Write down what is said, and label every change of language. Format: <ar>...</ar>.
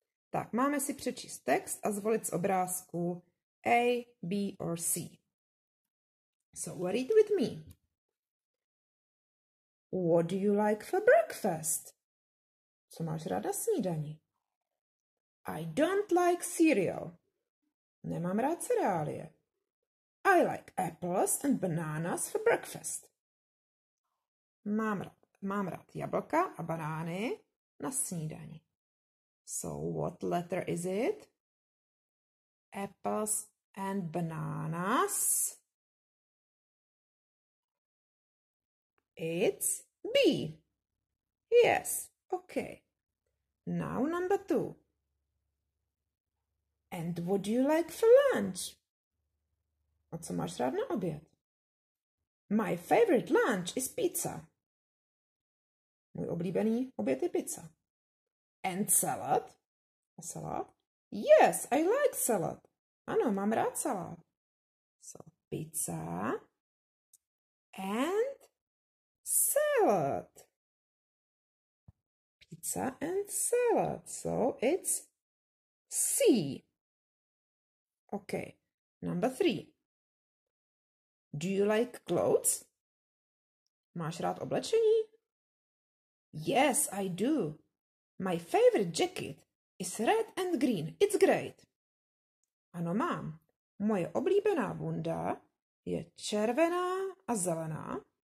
<cs>Tak, máme si přečíst text a zvolit z obrázku A, B or C.</cs> <en>So, read with me. What do you like for breakfast?</en> <cs>Co máš ráda snídaní?</cs> <en>I don't like cereal.</en> <cs>Nemám rád cereálie.</cs> <en>I like apples and bananas for breakfast.</en> <cs>Mám rád jablka a banány na snídaní.</cs> <en>So what letter is it? Apples and bananas. It's B. Yes, okay. Now number 2. And what do you like for lunch?</en> <cs>A co máš rád na oběd?</cs> <en>My favorite lunch is pizza.</en> <cs>Můj oblíbený oběd je pizza.</cs> <en>And salad? A salad? Yes, I like salad.</en> <cs>Ano, mám rád salad.</cs> <en>So, pizza and salad. Pizza and salad. So it's C. Okay. Number 3. Do you like clothes?</en> <cs>Máš rád oblečení?</cs> <en>Yes, I do. My favorite jacket is red and green. It's great.</en> <cs>Ano, mám. Moje oblíbená bunda je červená a zelená.</cs>